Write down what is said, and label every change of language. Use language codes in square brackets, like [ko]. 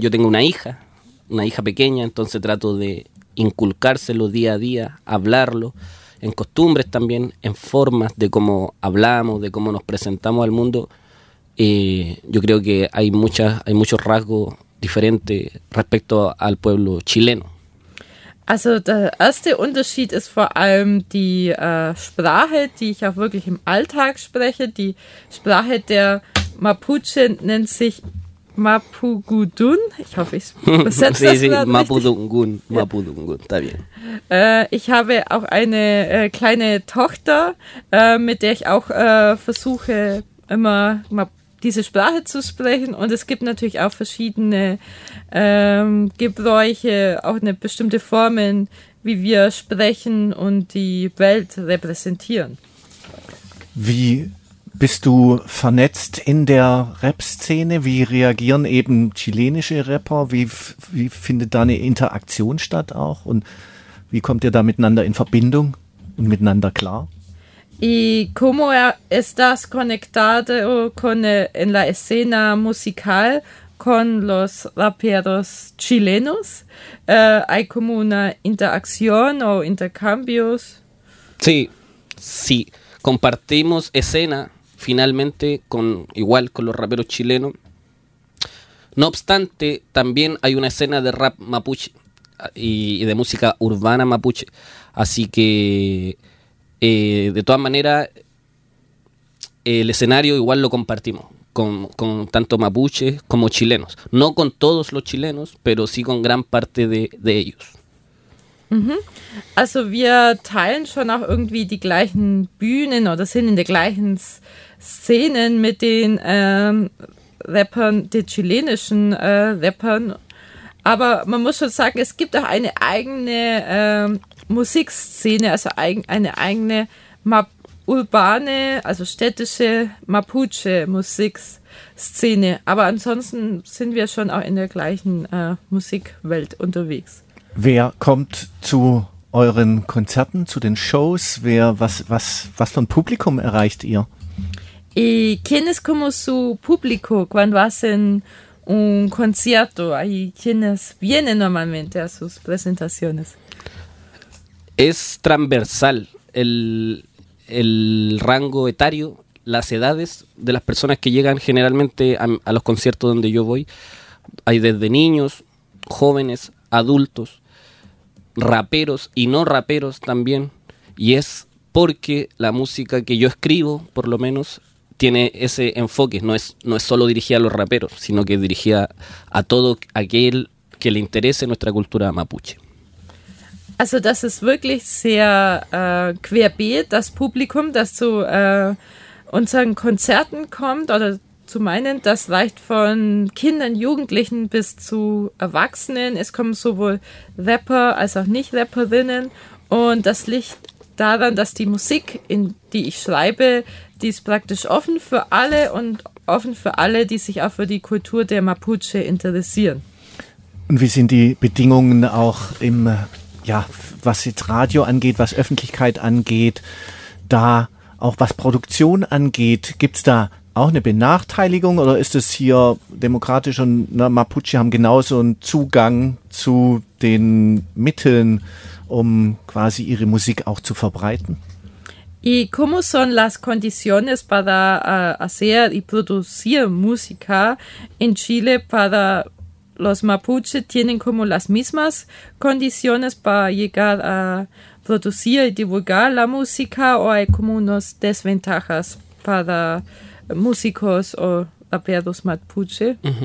[es] Yo tengo una hija pequeña, entonces trato de inculcárselo día a día, hablarlo, en costumbres también, en formas de cómo hablamos, de cómo nos presentamos al mundo. Yo creo que hay muchos rasgos diferentes respecto al pueblo chileno. [de] Also der erste Unterschied ist vor allem die Sprache, die ich auch wirklich im Alltag spreche. Die Sprache der Mapuche nennt sich Mapugudun, ich hoffe, ich übersetze das richtig. [es] Mapudungun, Mapudungun, está bien. [de] Ich habe auch eine kleine Tochter, mit der ich auch versuche, immer diese Sprache zu sprechen. Und es gibt natürlich auch verschiedene Gebräuche, auch eine bestimmte Formen, wie wir sprechen und die Welt repräsentieren. Wie bist du vernetzt in der Rap-Szene? Wie reagieren eben chilenische Rapper? Wie findet da eine Interaktion statt auch? Und wie kommt ihr da miteinander in Verbindung und miteinander klar? [es] ¿Y cómo estás conectado con en la escena musical con los raperos chilenos? ¿Hay como una interacción o intercambios? Sí, sí. Compartimos escena. Finalmente, igual con los raperos chilenos. No obstante, también hay una escena de rap mapuche y de música urbana mapuche. Así que, de todas maneras, el escenario igual lo compartimos con tanto mapuches como chilenos. No con todos los chilenos, pero sí con gran parte de ellos. [de] Also wir teilen schon auch irgendwie die gleichen Bühnen oder sind in der gleichen Szenen mit den Rappern, den chilenischen Rappern. Aber man muss schon sagen, es gibt auch eine eigene Musikszene, also eine eigene urbane, also städtische Mapuche Musikszene. Aber ansonsten sind wir schon auch in der gleichen Musikwelt unterwegs. Wer kommt zu euren Konzerten, zu den Shows? Was für ein Publikum erreicht ihr? [es] ¿Y quién es como su público cuando hacen un concierto? ¿Y quiénes vienen normalmente a sus presentaciones? Es transversal el rango etario, las edades de las personas que llegan generalmente a los conciertos donde yo voy. Hay desde niños, jóvenes, adultos, raperos y no raperos también, y es porque la música que yo escribo, por lo menos, tiene ese enfoque, no es solo dirigida a los raperos, sino que dirigida a todo aquel que le interese nuestra cultura mapuche. [de] Also das ist wirklich sehr querbeet, das Publikum, das du unseren Konzerten kommt oder zu meinen, das reicht von Kindern, Jugendlichen bis zu Erwachsenen. Es kommen sowohl Rapper als auch Nicht-Rapperinnen. Und das liegt daran, dass die Musik, in die ich schreibe, die ist praktisch offen für alle und offen für alle, die sich auch für die Kultur der Mapuche interessieren. Und wie sind die Bedingungen auch im, ja, was jetzt Radio angeht, was Öffentlichkeit angeht, da auch was Produktion angeht, gibt es da auch eine Benachteiligung oder ist es hier demokratisch und na, Mapuche haben genauso einen Zugang zu den Mitteln, um quasi ihre Musik auch zu verbreiten? [es] ¿Y cómo son las condiciones para hacer y producir música en Chile para los Mapuche? ¿Tienen como las mismas condiciones para llegar a producir y divulgar la música o hay como unas desventajas para músicos o raperos Mapuche?